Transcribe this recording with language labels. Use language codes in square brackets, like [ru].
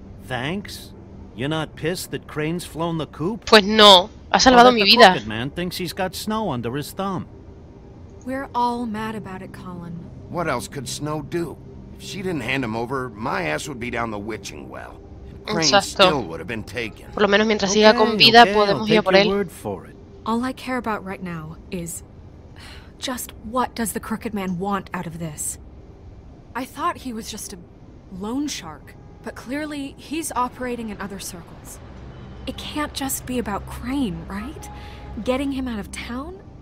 [en] Thanks? You're not pissed that Crane's flown the coop? [es] Pues no, ha salvado mi vida. [en] The man thinks he's got Snow under his thumb. We're all mad about it, Colin. What else could Snow do? If she didn't hand him over, my ass would be down the witching well. [es] Por lo menos mientras siga con vida podemos ir por él. [en] All I care about right now is just what does the crooked man want out of this? I thought he was just a loan shark, but clearly he's operating in other circles. It can't just be about Crane, right? Getting him out of town?